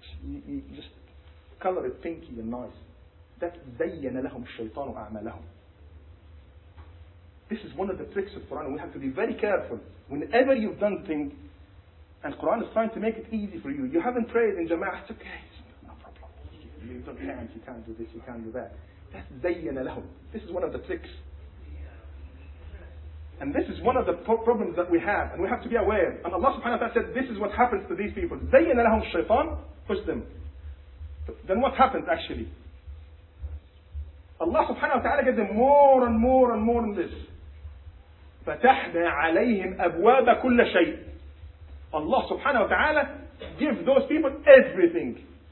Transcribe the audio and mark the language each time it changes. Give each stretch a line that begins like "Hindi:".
English: You just color it pinky and nice. That
Arabic: زَيَّنَ لَهُمْ الشَّيْطَانُ أَعْمَلَهُمْ.
English: This is one of the tricks of Quran. We have to be very careful. Whenever you've done things, and Quran is trying to make it easy for you, you haven't prayed in jama'ah, it's okay. It's no problem. You can't do this, you can't do that. That
Arabic: زَيَّنَ لَهُمْ.
English: This is one of the tricks. And this is one of the problems that we have, and we have to be aware. And Allah subhanahu wa ta'ala said, this is what happens to these people.
Arabic: زَيَّنَ لَهُمْ الشَّيْطَانِ,
English: push them. Then what happens actually? Allah subhanahu wa ta'ala gives them more and more and more in this.
Arabic: فَتَحْنَا عَلَيْهِمْ أَبْوَابَ كُلَّ شَيْءٍ.
English: Allah subhanahu wa ta'ala give those people everything.